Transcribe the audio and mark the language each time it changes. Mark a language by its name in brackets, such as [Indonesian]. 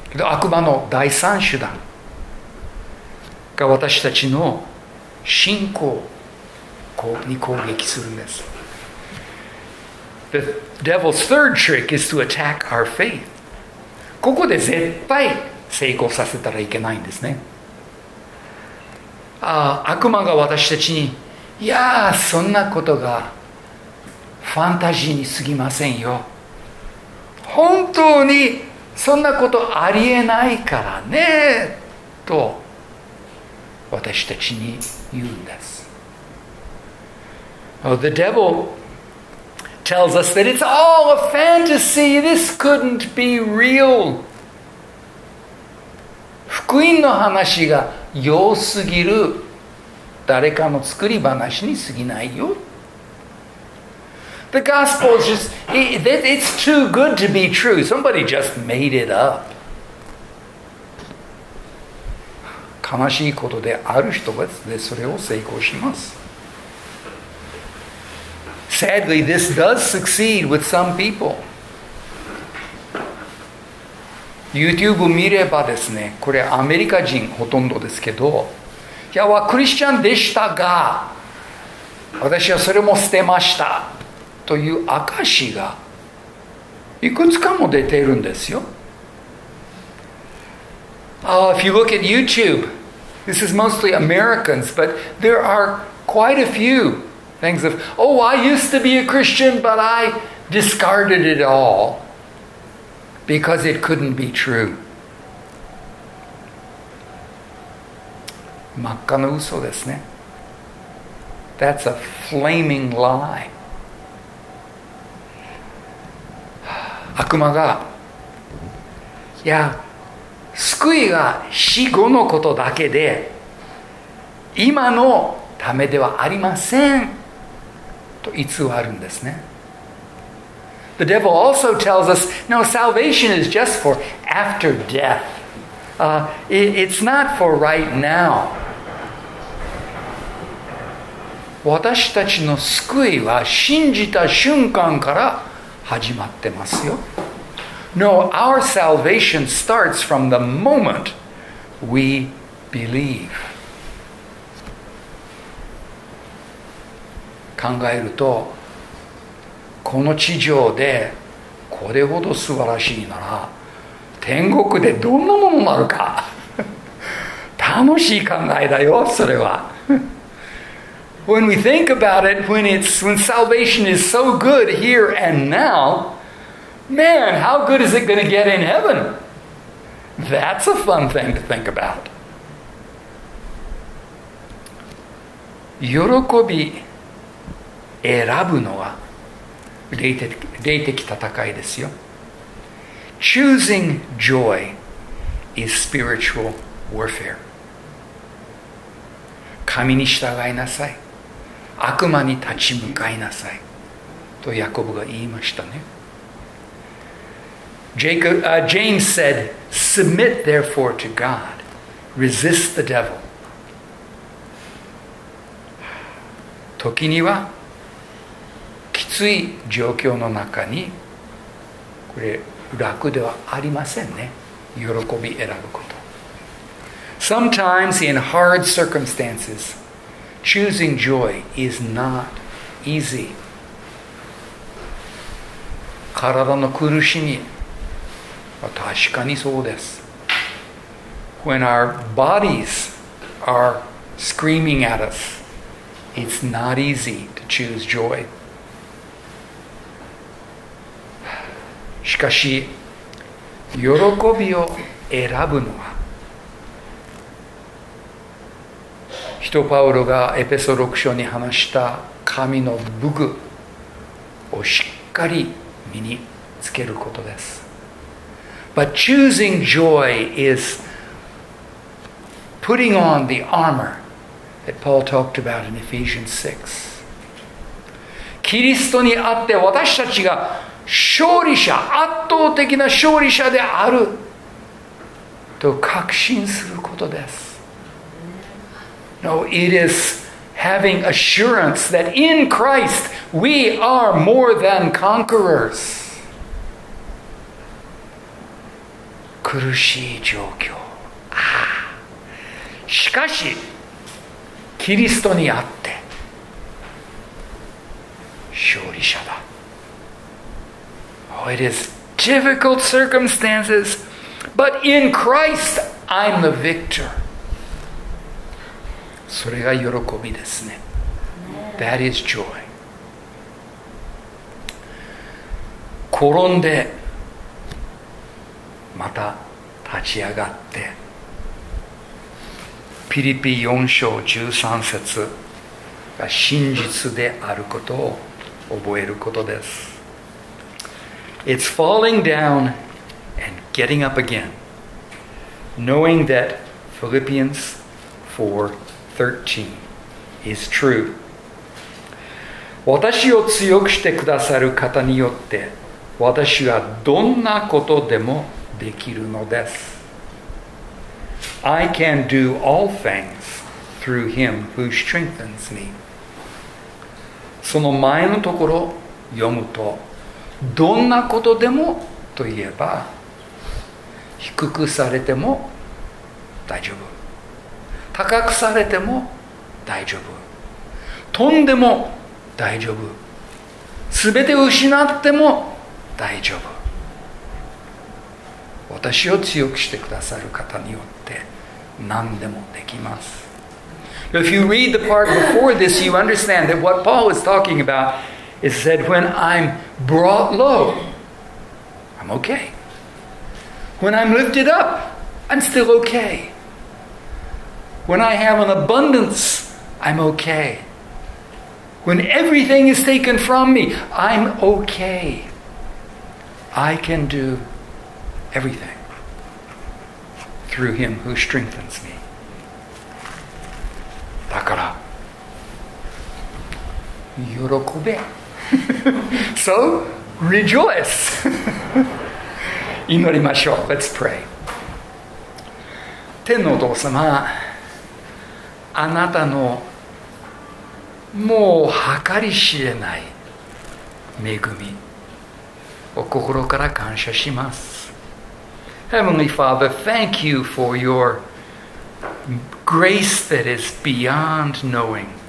[Japanese] 悪魔の第三手段。私たちの信仰に攻撃するんです。 [English] The devil's third trick is to attack our faith. [Japanese] ここで絶対成功させたらいけないんですね。悪魔が私たちに、いやそんなことがファンタジーにすぎませんよ。本当にそんなことありえないからねと。私たちに言うんです。 [English] Oh, the devil tells us that it's all a fantasy. This couldn't be real. [Japanese] 福音の話が良すぎる誰かの作り話に過ぎないよ。 [English] The gospel is just, it's too good to be true. Somebody just made it up. [Japanese] 悲しいことである人はそれを成功します。 [English] Sadly, this does succeed with some people. [Japanese] YouTube を見ればですね、これアメリカ人ほとんどですけど、いや、クリスチャンでしたが、私はそれも捨てました。という証しがいくつかも出ているんですよ。 [English] If you look at YouTube, this is mostly Americans, but there are quite a few things of, oh, I used to be a Christian, but I discarded it all because it couldn't be true. [Japanese] 真っ赤な嘘ですね。 [English] That's a flaming lie. [Japanese] 悪魔が、いや、救いが死後のことだけで、今のためではありませんと偽るんですね。 [English] The devil also tells us, no, salvation is just for after death. It's not for right now. [Japanese] 私たちの救いは信じた瞬間から始まってますよ。 [English] No, our salvation starts from the moment we believe. [Japanese] 考えると、この地上でこれほど素晴らしいなら、天国でどんなものになるか。楽しい考えだよ、それは。 [English] When we think about it, when salvation is so good here and now, man, how good is it going to get in heaven? That's a fun thing to think about. [Japanese] 喜び選ぶのは霊的戦いですよ。 [English] Choosing joy is spiritual warfare. [Japanese] 神に従いなさい。悪魔に立ち向かいなさいとヤコブが言いましたね。 [English] James said, "Submit therefore to God, resist the devil." [Japanese] 時にはきつい状況の中に、これ楽ではありませんね。喜び選ぶこと。 [English] Sometimes in hard circumstances. Choosing joy is not easy. [Japanese] 体の苦しみは確かにそうです。 [English] When our bodies are screaming at us, it's not easy to choose joy. [Japanese] しかし、喜びを選ぶのは人パウロがエペソ6章に話した神の武具をしっかり身につけることです。 [English] But choosing joy is putting on the armor that Paul talked about in Ephesians 6. [Japanese] キリストにあって私たちが勝利者、圧倒的な勝利者であると確信することです。 [English] No, it is having assurance that in Christ we are more than conquerors. [Japanese] 苦しい状況。しかし、キリストにあって勝利者だ。 [English] Oh, it is difficult circumstances, but in Christ I'm the victor. [Japanese] それが喜びですね。 [English] That is joy. [Japanese] 転んでまた立ち上がって。ピリピ4章13節が真実であることを覚えることです。 [English] It's falling down and getting up again, knowing that Philippians 4:13. is true. [Japanese] 私を強くしてくださる方によって私はどんなことでもできるのです。 [English] I can do all things through him who strengthens me. [Japanese] その前のところ読むと、どんなことでもといえば、低くされても大丈夫、高くされても大丈夫、飛んでも大丈夫、すべて失っても大丈夫。私を強くしてくださる方によって何でもできます。 [English] If you read the part before this, you understand that what Paul is talking about is that when I'm brought low, I'm okay. When I'm lifted up, I'm still okay. When I have an abundance, I'm okay. When everything is taken from me, I'm okay. I can do everything through him who strengthens me. [Japanese] だから、喜べ。 [English] So, rejoice. [Japanese] 祈りましょう。 [English] Let's pray. [Japanese] 天のお父様、あなたのもう計り知れない恵みを心から感謝します。 [English] Heavenly Father, thank you for your grace that is beyond knowing.